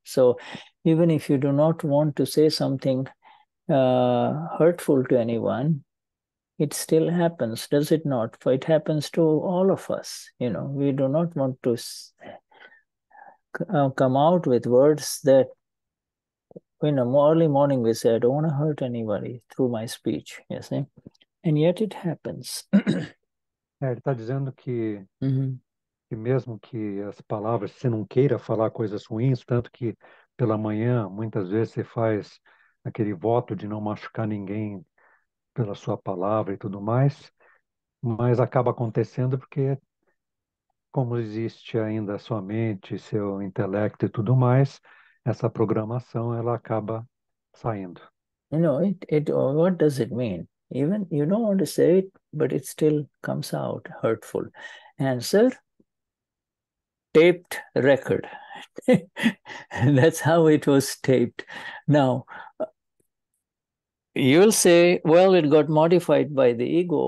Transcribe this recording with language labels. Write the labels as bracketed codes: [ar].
[en] So even if you do not want to say something hurtful to anyone, it still happens, does it not? For it happens to all of us, you know. We do not want to come out with words that, you know, early morning we say, I don't want to hurt anybody through my speech, you see. And yet it happens. [pt] Ele está dizendo que mesmo que as palavras, você não queira falar coisas ruins, tanto que pela manhã, muitas vezes você faz aquele voto de não machucar ninguém pela sua palavra e tudo mais, mas acaba acontecendo porque, como existe ainda a sua mente, seu intelecto e tudo mais, essa programação, ela acaba saindo. [en] You know, what does it mean? Even you don't want to say it, but it still comes out hurtful. Answer: taped record. That's how it was taped. Now, you'll say, well, it got modified by the ego.